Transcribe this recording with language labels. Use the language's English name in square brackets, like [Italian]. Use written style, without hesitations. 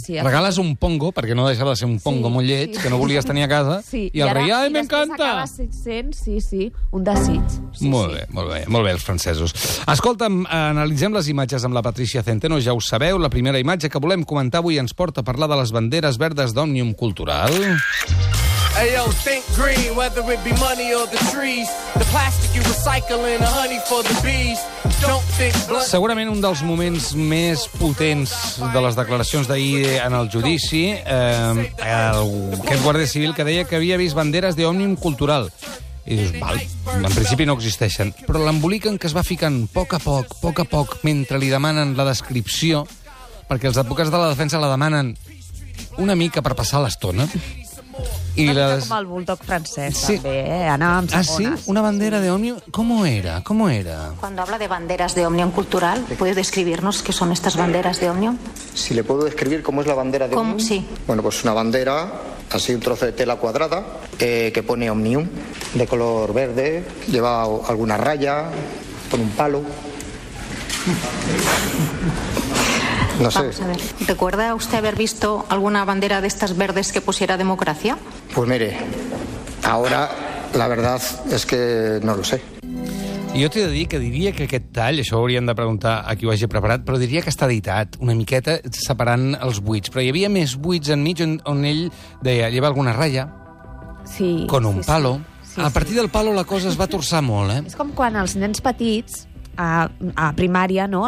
[Catalan] Regales un pongo, perquè no deixava de ser un pongo molt lleig, que no volies tenir a casa, i el rei, ai, m'encanta! Un desig. Molt bé, els francesos. Escolta'm, analitzem les imatges amb la Patrícia Centeno, ja ho sabeu, la primera imatge que volem comentar avui ens porta a parlar de les banderes verdes d'Òmnium Cultural. [English] Ayo, think green, whether it be money or the trees. The plastic you recycle in the honey for the bees. [Catalan] Segurament un dels moments més potents de les declaracions d'ahir en el judici, aquest guàrdia civil que deia que havia vist banderes d'Òmnium Cultural. I dius, val, en principi no existeixen. Però l'emboliquen que es va ficant poc a poc, mentre li demanen la descripció, perquè els advocats de la defensa la demanen una mica per passar l'estona. I una mica com el bulldog francès, també, anava amb segones. Ah, sí? Una bandera d'Òmnium? [Spanish] ¿Cómo era? Cuando habla de banderas de Òmnium Cultural, ¿puede describirnos qué son estas banderas de Òmnium? Si le puedo describir cómo es la bandera de Òmnium. ¿Cómo? Sí. Bueno, pues una bandera, así un trozo de tela cuadrada, que pone Òmnium, de color verde, lleva alguna raya, con un palo. No sé. Vamos a ver. ¿Recuerda usted haber visto alguna bandera de estas verdes que pusiera democracia? Pues mire, ahora la verdad es que no lo sé. [Catalan] Jo t'he de dir que diria que aquest tall, això ho hauríem de preguntar a qui ho hagi preparat, però diria que està editat, una miqueta separant els buits. Però hi havia més buits enmig on ell deia, lleva alguna ratlla, sí, [Spanish] con un sí, [Catalan] palo. Sí. A partir del palo la cosa es va torçar molt, És com quan els nens petits... A primària, no?